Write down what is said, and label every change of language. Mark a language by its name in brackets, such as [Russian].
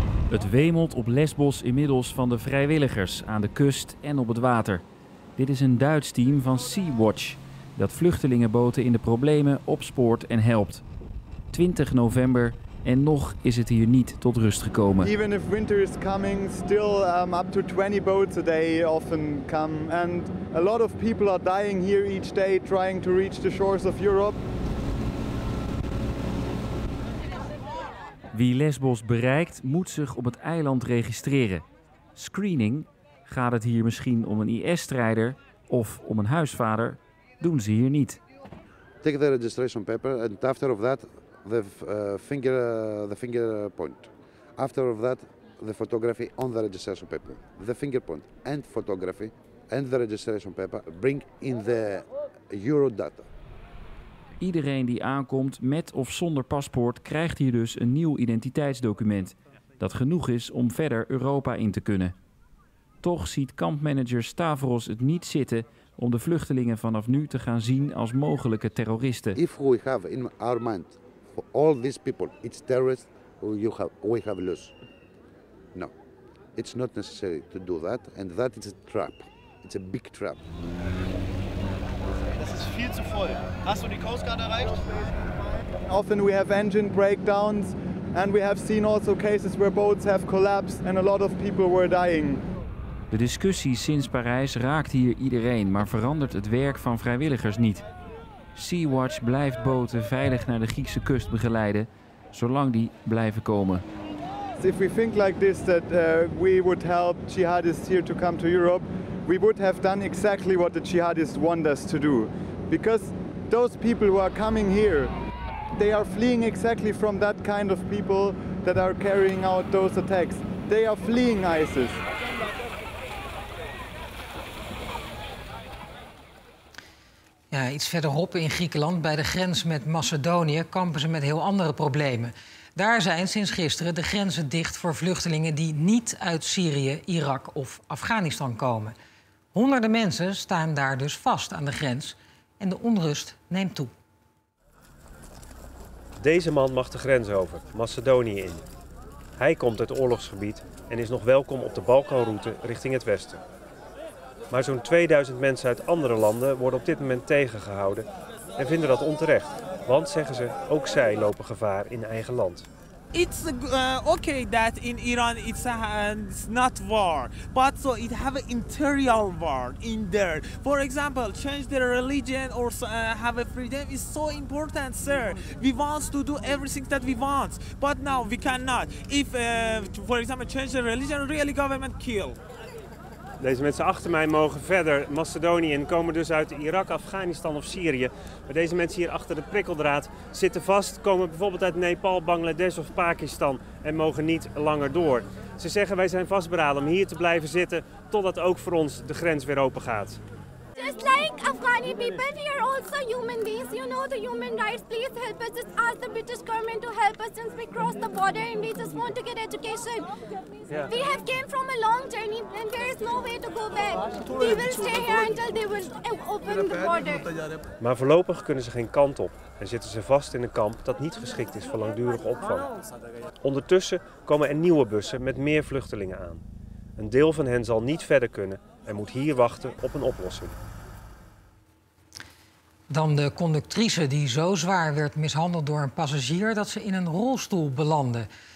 [Dutch] Het wemelt op Lesbos inmiddels van de vrijwilligers aan de kust en op het water. Dit is een Duits team van Sea-Watch, dat vluchtelingenboten in de problemen opspoort en helpt. 20 november... En nog is het hier niet tot rust gekomen. [English] Even if winter is coming, still up to 20 boats a day often come. And a lot of people are dying here each day trying to reach the shores of Europe. [Dutch] Wie Lesbos bereikt, moet zich op het eiland registreren. Screening, gaat het hier misschien om een IS-strijder of om een huisvader, doen ze hier niet. [English] Take the registration paper and after of that the fingerprint. After of that, the photography on the registration paper. The fingerprint and photography and the registration paper bring in the Eurodata. [Dutch] Iedereen die aankomt met of zonder paspoort krijgt hier dus een nieuw identiteitsdocument dat genoeg is om verder Europa in te kunnen. Toch ziet kampmanager Stavros het niet zitten om de vluchtelingen vanaf nu te gaan zien als mogelijke terroristen. [English] If we have in our mind for all these people it's terrorists, we have lost. No, it's not necessary to do that, and that is a trap. It's a big trap. [German] Das ist viel zu voll. Hast du die Coast Guard erreicht? [English] Often we have engine breakdowns, and we have seen also cases where boats have collapsed and a lot of people were dying. [Dutch] De discussie sinds Parijs raakt hier iedereen, maar verandert het werk van vrijwilligers niet. Sea-Watch blijft boten veilig naar de Griekse kust begeleiden, zolang die blijven komen. [English] If we think like this that we would help jihadists here to come to Europe, we would have done exactly what the jihadists want us to do. Because those people who are coming here, they are fleeing exactly from that kind of people that are carrying out those attacks. They are fleeing ISIS. [Dutch] Ja, iets verderop in Griekenland, bij de grens met Macedonië, kampen ze met heel andere problemen. Daar zijn sinds gisteren de grenzen dicht voor vluchtelingen die niet uit Syrië, Irak of Afghanistan komen. Honderden mensen staan daar dus vast aan de grens en de onrust neemt toe. Deze man mag de grens over, Macedonië in. Hij komt uit oorlogsgebied en is nog welkom op de Balkanroute richting het westen. Maar zo'n 2000 mensen uit andere landen worden op dit moment tegengehouden en vinden dat onterecht. Want zeggen ze, ook zij lopen gevaar in eigen land. [English] It's okay that in Iran it's not war, but so it have an interior war in there. For example, change their religion or have a freedom is so important, sir. We want to do everything that we want, but now we cannot. If, for example, change their religion, really government kill. [Dutch] Deze mensen achter mij mogen verder. Macedonië en komen dus uit Irak, Afghanistan of Syrië. Maar deze mensen hier achter de prikkeldraad zitten vast. Komen bijvoorbeeld uit Nepal, Bangladesh of Pakistan en mogen niet langer door. Ze zeggen wij zijn vastberaden om hier te blijven zitten totdat ook voor ons de grens weer open gaat. [English] Just like Afghani people, we are also human beings. You know the human rights. Please help us. Just ask the British government to help us since we crossed the border and we just want to get education. Yeah. We have came from a long journey and there is no way to go back. We will stay here until they will open the border. [Dutch] Maar voorlopig kunnen ze geen kant op en zitten ze vast in een kamp dat niet geschikt is voor langdurige opvang. Ondertussen komen er nieuwe bussen met meer vluchtelingen aan. Een deel van hen zal niet verder kunnen en moet hier wachten op een oplossing. Dan de conductrice die zo zwaar werd mishandeld door een passagier dat ze in een rolstoel belandde.